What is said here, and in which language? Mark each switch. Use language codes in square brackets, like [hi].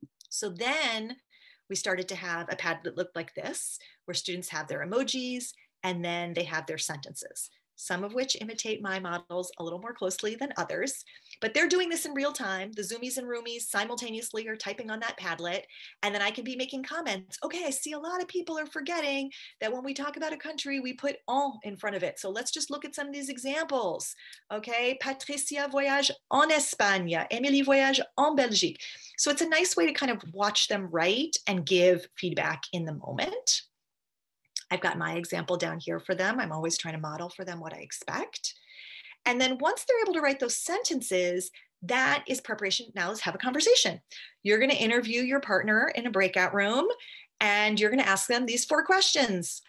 [en] So then we started to have a pad that looked like this, where students have their emojis and then they have their sentences, some of which imitate my models a little more closely than others, but they're doing this in real time. The Zoomies and Roomies simultaneously are typing on that Padlet, and then I can be making comments. Okay, I see a lot of people are forgetting that when we talk about a country, we put en in front of it. So let's just look at some of these examples. [fr] Okay, Patricia voyage en Espagne, Emily voyage en Belgique. [en] So it's a nice way to kind of watch them write and give feedback in the moment. I've got my example down here for them. I'm always trying to model for them what I expect. And then once they're able to write those sentences, that is preparation. Now let's have a conversation. You're going to interview your partner in a breakout room and you're going to ask them these four questions.